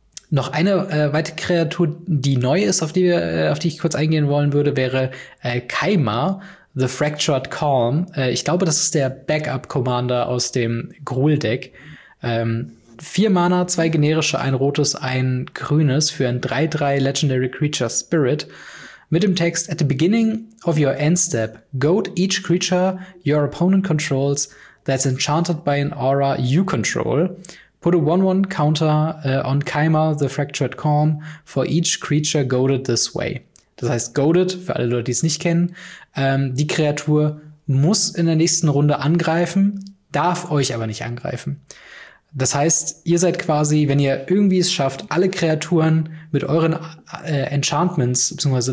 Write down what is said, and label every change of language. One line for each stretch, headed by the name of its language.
German: Noch eine weitere Kreatur, die neu ist, auf die ich kurz eingehen wollen würde, wäre Kaima, The Fractured Calm. Ich glaube, das ist der Backup-Commander aus dem Gruul-Deck. 4 Mana, 2 generische, 1 rotes, 1 grünes für ein 3/3 Legendary Creature Spirit. Mit dem Text,
English: at the beginning of your end step, goad each creature your opponent controls that's enchanted by an aura you control. Put a 1/1 counter on Kaima, the Fractured Calm, for each creature goaded this way.
German: Das heißt, goaded, für alle Leute, die es nicht kennen, die Kreatur muss in der nächsten Runde angreifen, darf euch aber nicht angreifen. Das heißt, ihr seid quasi, wenn ihr irgendwie es schafft, alle Kreaturen mit euren Enchantments bzw.